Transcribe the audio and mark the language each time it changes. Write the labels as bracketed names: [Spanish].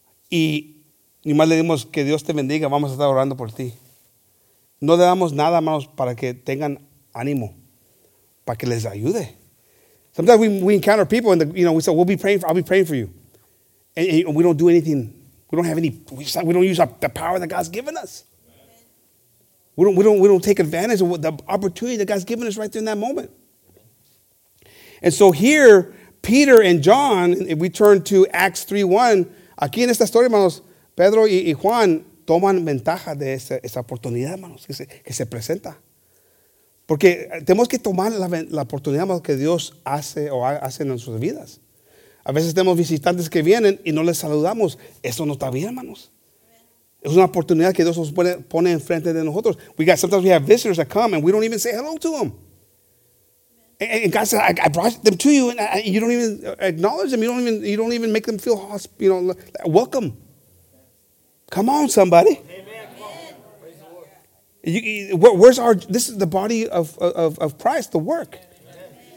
[Spanish] Y ni más le dimos que Dios te bendiga, vamos a estar orando por ti. No le damos nada, hermanos, para que tengan ánimo, para que les ayude. [English] Sometimes we encounter people and we say, I'll be praying for you. And we don't do anything. We don't use the power that God's given us. We don't take advantage of the opportunity that God's given us right there in that moment. And so here, Peter and John, if we turn to Acts 3:1, [Spanish] aquí en esta historia, hermanos, Pedro y Juan toman ventaja de esa oportunidad, hermanos, que se presenta. Porque tenemos que tomar la oportunidad, hermanos, que Dios hace o hace en nuestras vidas. A veces tenemos visitantes que vienen y no les saludamos. Eso no está bien, hermanos. Es una oportunidad que Dios nos pone enfrente de nosotros. [English] Sometimes we have visitors that come and we don't even say hello to them. And God says, I brought them to you and you don't even acknowledge them. You don't even make them feel welcome. Come on, somebody. Amen. Where's our? This is the body of Christ, the work. Amen.